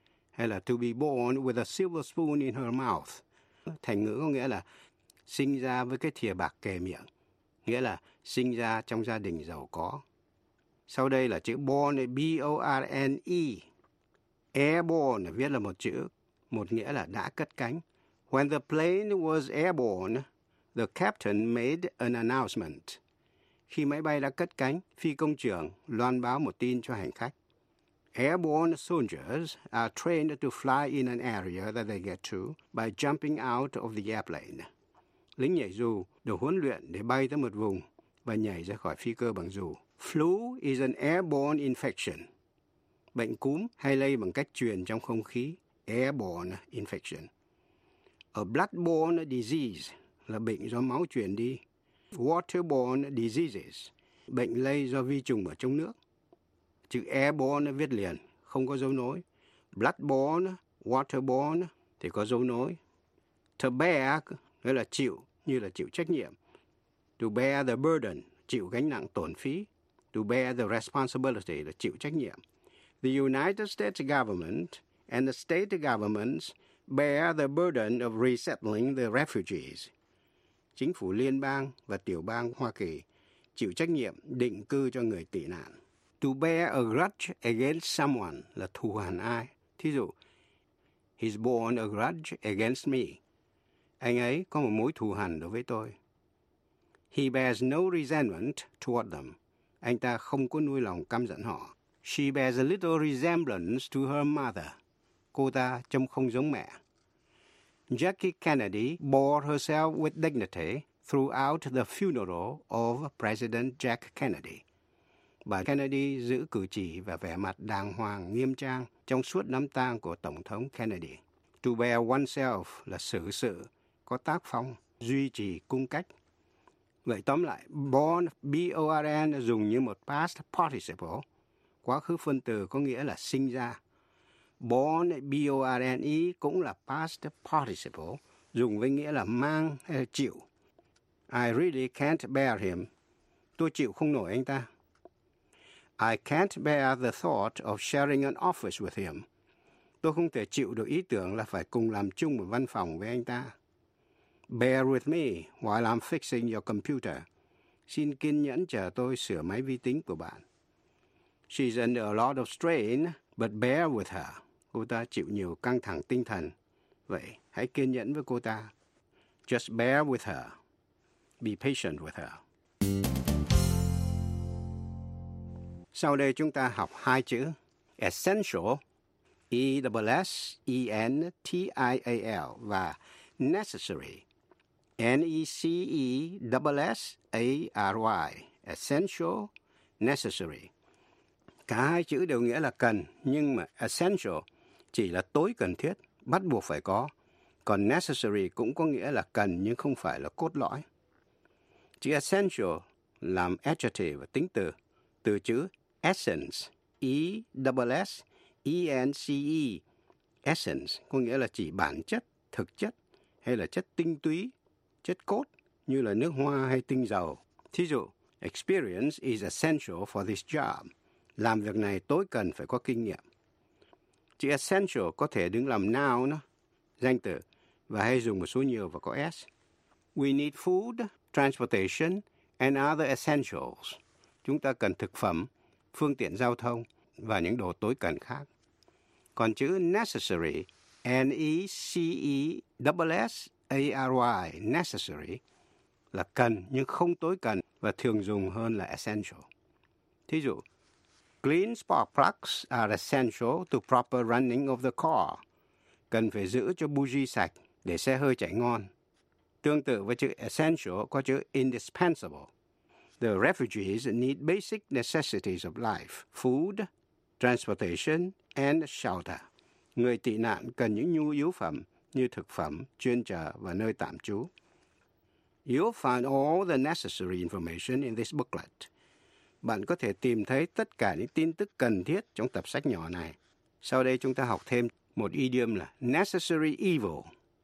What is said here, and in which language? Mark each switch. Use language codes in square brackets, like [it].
[vi] Hay là [en] to be born with a silver spoon in her mouth. [vi] Thành ngữ có nghĩa là sinh ra với cái thìa bạc kề miệng. Nghĩa là sinh ra trong gia đình giàu có. Sau đây là chữ born, B-O-R-N-E. Airborne viết là một chữ, một nghĩa là đã cất cánh. [en] When the plane was airborne, the captain made an announcement. [vi] Khi máy bay đã cất cánh, phi công trưởng loan báo một tin cho hành khách. [en] Airborne soldiers are trained to fly in an area that they get to by jumping out of the airplane. [vi] Lính nhảy dù được huấn luyện để bay tới một vùng và nhảy ra khỏi phi cơ bằng dù. [en] Flu is an airborne infection. [vi] Bệnh cúm hay lây bằng cách truyền trong không khí. [en] Airborne infection. A bloodborne disease [vi] là bệnh do máu truyền đi. [en] Waterborne diseases, [vi] bệnh lây do vi trùng ở trong nước. Chữ airborne viết liền, không có dấu nối. Bloodborne, waterborne thì có dấu nối. To bear nghĩa là chịu, như là chịu trách nhiệm. [en] To bear the burden, [vi] chịu gánh nặng tổn phí. [en] To bear the responsibility [vi] là chịu trách nhiệm. [en] The United States government and the state governments bear the burden of resettling the refugees. [vi] Chính phủ liên bang và tiểu bang Hoa Kỳ chịu trách nhiệm định cư cho người tị nạn. [en] To bear a grudge against someone [vi] là thù hằn ai. Thí dụ, [en] he's borne a grudge against me. [vi] Anh ấy có một mối thù hằn đối với tôi. [en] He bears no resentment toward them. [vi] Anh ta không có nuôi lòng căm giận họ. [en] She bears a little resemblance to her mother. [vi] Cô ta trông không giống mẹ. [en] Jackie Kennedy bore herself with dignity throughout the funeral of President Jack Kennedy. [vi] Bà Kennedy giữ cử chỉ và vẻ mặt đàng hoàng, nghiêm trang trong suốt đám tang của Tổng thống Kennedy. [en] To bear oneself [vi] là xử sự, có tác phong, duy trì cung cách. Vậy tóm lại, born, B-O-R-N dùng như một past participle, quá khứ phân từ có nghĩa là sinh ra. Born, B-O-R-N-E cũng là past participle, dùng với nghĩa là mang, chịu. [en] I really can't bear him. [vi] Tôi chịu không nổi anh ta. [en] I can't bear the thought of sharing an office with him. [vi] Tôi không thể chịu được ý tưởng là phải cùng làm chung một văn phòng với anh ta. [en] Bear with me while I'm fixing your computer. [vi] Xin kiên nhẫn chờ tôi sửa máy vi tính của bạn. [en] She's under a lot of strain, but bear with her. [vi] Cô ta chịu nhiều căng thẳng tinh thần. Vậy, hãy kiên nhẫn với cô ta. [en] Just bear with her. Be patient with her. [vi] Sau đây chúng ta học hai chữ. [en] Essential, E-S-S-E-N-T-I-A-L và necessary, N-E-C-E-S-S-A-R-Y, essential, necessary. [vi] Cả hai chữ đều nghĩa là cần, nhưng mà essential chỉ là tối cần thiết, bắt buộc phải có. Còn necessary cũng có nghĩa là cần nhưng không phải là cốt lõi. Chữ essential làm adjective và tính từ, từ chữ essence, E-S-S-E-N-C-E, essence có nghĩa là chỉ bản chất, thực chất hay là chất tinh túy, chất cốt như là nước hoa hay tinh dầu. Thí dụ, [en] experience is essential for this job. [vi] Làm việc này tối cần phải có kinh nghiệm. Chữ essential có thể đứng làm noun, danh từ, và hay dùng một số nhiều và có S. [en] We need food, transportation, and other essentials. [vi] Chúng ta cần thực phẩm, phương tiện giao thông và những đồ tối cần khác. Còn chữ necessary, N-E-C-E-S-S-A-R-Y, necessary, là cần nhưng không tối cần và thường dùng hơn là essential. Thí dụ, [en] clean spark plugs are essential to proper running of the car. [vi] Cần phải giữ cho buji sạch để xe hơi chạy ngon. Tương tự với chữ essential có chữ indispensable. [en] The refugees need basic necessities of life, food, transportation, and shelter. [vi] Người tị nạn cần những nhu yếu phẩm như thực phẩm, chuyên chở và nơi tạm trú. [en] You'll find all the necessary information in this booklet. [vi] Bạn có thể tìm thấy tất cả những tin tức cần thiết trong tập sách nhỏ này. Sau đây chúng ta học thêm một idiom là necessary evil.